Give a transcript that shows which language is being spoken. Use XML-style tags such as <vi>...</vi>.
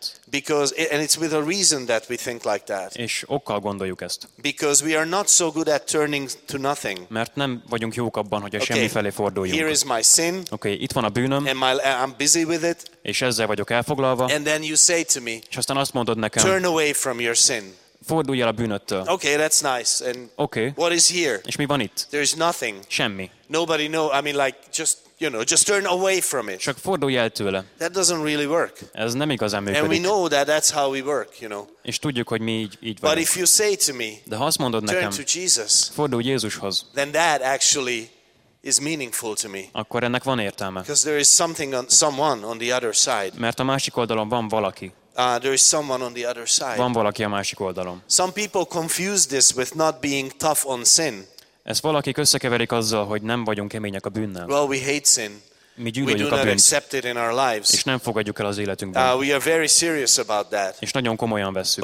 <en>Because and it's with a reason that we think like that.</en> <hu>És okkal gondoljuk ezt.</hu> <en>Because we are not so good at turning to nothing.</en> <hu>Mert nem vagyunk jók abban, hogy a semmi felé forduljunk.</hu> <en>Here is my sin.</en> <hu>Okay, itt van a bűnöm.</hu> <en>And I'm busy with it.</en> <hu>És ezzel vagyok elfoglalva.</hu> <en>And then you say to me,</en> <hu>és aztán azt mondod nekem,</hu> <en>turn away from your sin.</en> <hu>Fordulj el a bűnöttől.</hu> <en>Okay, that's nice. And okay. What is here?</en> <hu>És mi van itt?</hu> <en>There is nothing.</en> <hu>Semmi.</hu> <en>Nobody know. I mean, like just turn away from it.</en> <hu>Csak fordulj el tőle.</hu> <en>That doesn't really work.</en> <hu>Ez nem igazán működik.</hu> <en>And we know that's how we work, you know.</en> <hu>És tudjuk, hogy mi így vagyunk.</hu> <en>But if you say to me,</en> <hu>de ha azt mondod</hu> <en>turn</en> <hu>nekem,</hu> <en>to Jesus,</en> <hu>fordulj Jézushoz,</hu> <en>then that actually is meaningful to me.</en> <hu>Akkor ennek van értelme.</hu> <en>Because there is something on someone on the other side.</en> <hu>Mert a másik oldalon van valaki.</hu> <en>There is someone on the other side.</en> <hu>Van valaki a másik oldalon.</hu> <en>Some people confuse this with not being tough on sin.</en> <hu>Ezt valakik összekeverik azzal, hogy nem vagyunk kemények a bűnnel.</hu> <en>Well, we hate sin.</en> <hu>Mi gyűlöljük a bűnt.</hu> <en>We do not accept it in our lives.</en> <hu>És nem fogadjuk el az életünkben.</hu> <en>We are very serious about that.</en> <hu>És nagyon komolyan vesszük.</hu>